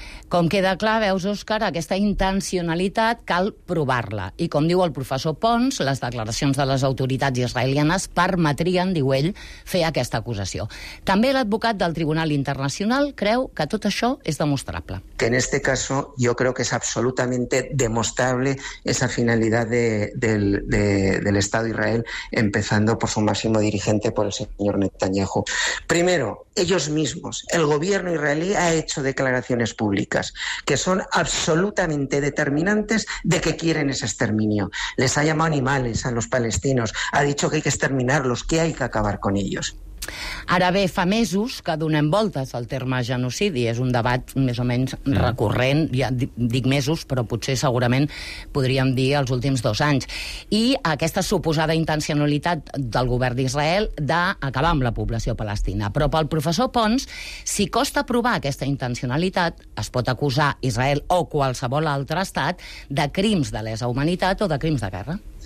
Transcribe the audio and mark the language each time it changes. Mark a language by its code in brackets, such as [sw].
[ca] Com queda clar, veus, Òscar, aquesta intencionalitat cal provar-la. I com diu el professor Pons, les declaracions de les autoritats israelianes permetrien, diu ell, fer aquesta acusació. També l'advocat del Tribunal Internacional creu que tot això és demostrable. [es] Que en este caso yo creo que es absolutamente demostrable esa finalidad del Estado de Israel, empezando por su máximo dirigente, por el señor Netanyahu. Primero, ellos mismos, el gobierno israelí ha hecho declaraciones públicas que son absolutamente determinantes de que quieren ese exterminio. Les ha llamado animales a los palestinos, ha dicho que hay que exterminarlos, que hay que acabar con ellos. [ca] Ara bé, fa mesos que donem voltes al terme genocidi. És un debat més o menys recurrent, ja dic mesos, però potser segurament podríem dir els últims dos anys. I aquesta suposada intencionalitat del govern d'Israel d'acabar amb la població palestina. Però pel professor Pons, si costa provar aquesta intencionalitat, es pot acusar Israel o qualsevol altre estat de crims de lesa humanitat o de crims de guerra.